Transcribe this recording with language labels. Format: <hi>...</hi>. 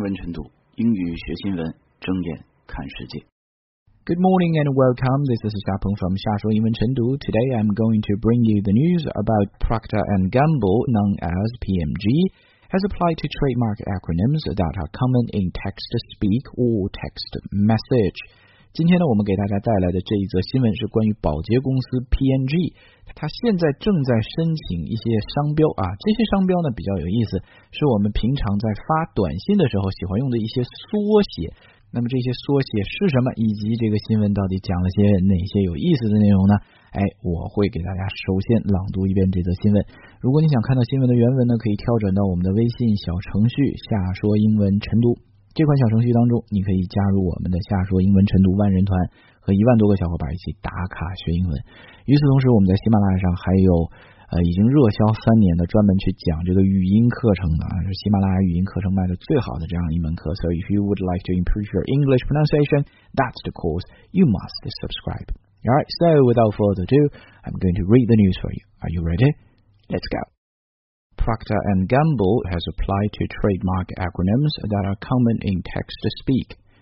<zh>每个人学英语的目的各种各样，每个人学英语的方式也千差万别。方法有没有效，关键在于坚持，坚持到底才是胜利。过去三年，8000多万次的播放量，60多万人次的关注，已经证明了一切。不管是在清晨宁静的校园，还是在人潮涌动的地铁，戴上耳机，你就拥有了这个世界。下说英文晨读，英语学新闻，睁眼看世界。</zh> <en>Good morning and welcome. This is Xia Peng from Xia Shuo Yinwen Chengdu. Today I'm going to bring you the news about Procter & Gamble, known as PMG, has applied to trademark acronyms that are common in text-to-speak or text-message.</en> <zh>今天呢，我们给大家带来的这一则新闻是关于保洁公司 PNG， 它现在正在申请一些商标啊。这些商标呢比较有意思，是我们平常在发短信的时候喜欢用的一些缩写。那么这些缩写是什么，以及这个新闻到底讲了些哪些有意思的内容呢？哎，我会给大家首先朗读一遍这则新闻。如果你想看到新闻的原文呢，可以跳转到我们的微信小程序下说英文晨读，这款小程序当中你可以加入我们的下说英文晨读万人团，和10000多个小伙伴一起打卡学英文。与此同时，我们在喜马拉雅上还有已经热销三年的专门去讲这个语音课程的，是喜马拉雅语音课程卖的最好的这样一门课。</zh> <en>So if you would like to improve your English pronunciation, that's the course you must subscribe. Alright, so without further ado, I'm going to read the news for you. Are you ready? Let's go. Procter & Gamble has applied to trademark acronyms that are common in text-to-speak.</en>